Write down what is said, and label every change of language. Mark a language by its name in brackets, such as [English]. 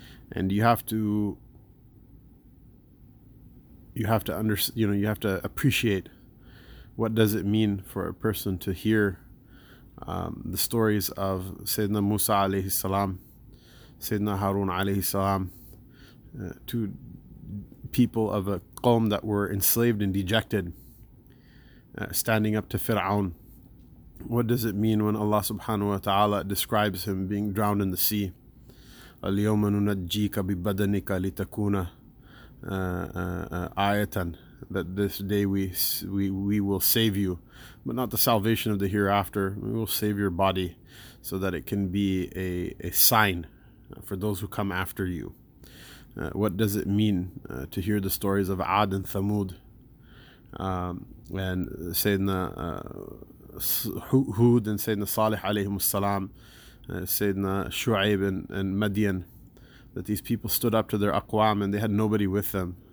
[English] And you have to appreciate what does it mean for a person to hear the stories of Sayyidina Musa alayhi salam, Sayyidina Harun alayhi salam, two people of a qawm that were enslaved and dejected, standing up to Fir'aun. What does it mean when Allah subhanahu wa ta'ala describes him being drowned in the sea? [Arabic] اليوم ننجيك ببدنك لتكون آية. [English] That this day we will save you, but not the salvation of the hereafter. We will save your body so that it can be a sign for those who come after you. What does it mean to hear the stories of Ad and Thamud and Sayyidina Hud and Sayyidina Salih alayhim salam, Sayyidina Shu'aib and Madian, that these people stood up to their aqwam and they had nobody with them.